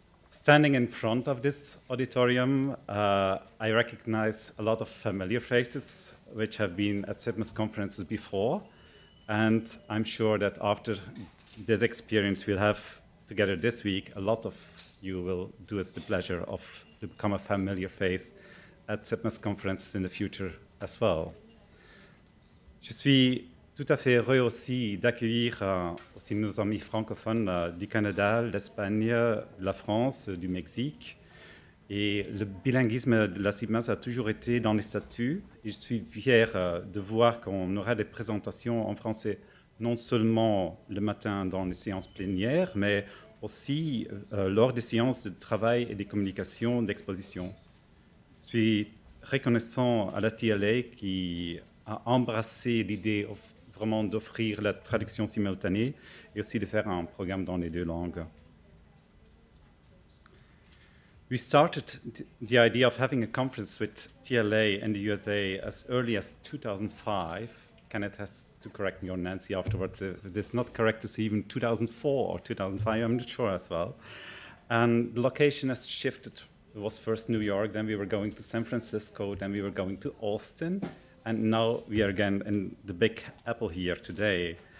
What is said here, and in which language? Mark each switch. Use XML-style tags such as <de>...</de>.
<en>Standing in front of this auditorium, I recognize a lot of familiar faces which have been at SIBMAS conferences before. And I'm sure that after this experience we'll have together this week, a lot of you will do us the pleasure of to become a familiar face at SIBMAS conferences in the future as well.</en> <fr>Je suis tout à fait heureux aussi d'accueillir aussi nos amis francophones du Canada, l'Espagne, la France, du Mexique. Et le bilinguisme de la SIBMAS a toujours été dans les statuts. Et je suis fier de voir qu'on aura des présentations en français, non seulement le matin dans les séances plénières, mais aussi lors des séances de travail et des communications d'exposition. Je suis reconnaissant à la TLA qui a embrassé l'idée vraiment d'offrir la traduction simultanée et aussi de faire un programme dans les deux langues.</fr> <en>We started the idea of having a conference with TLA and the USA as early as 2005. Kenneth has to correct me or Nancy afterwards. It's not correct to say even 2004 or 2005, I'm not sure as well. And the location has shifted. It was first New York, then we were going to San Francisco, then we were going to Austin, and now we are again in the Big Apple here today.</en>